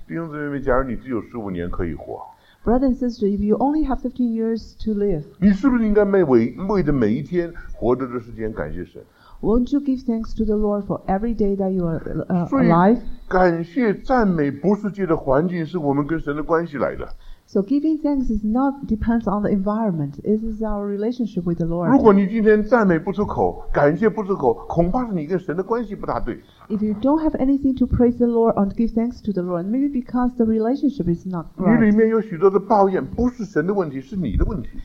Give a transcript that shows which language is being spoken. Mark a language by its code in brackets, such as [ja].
[zh] 弟兄姊妹们，假如你只有十五年可以活 [en] ，Brother and sister, if you only have 15 years to live, [zh] 你是不是应该为着每一天活着的时间感谢神？ [en] Won't you give thanks to the Lord for every day that you are alive? [zh] 感谢赞美不是借着环境，是我们跟神的关系来的。 [en] So giving thanks is not depends on the environment. It is our relationship with the Lord. [zh] 如果你今天赞美不出口，感谢不出口，恐怕是你跟神的关系不大对。 [en] If you don't have anything to praise the Lord or give thanks to the Lord, maybe because the relationship is not right. [zh] 你里面有许多的抱怨，不是神的问题，是你的问题。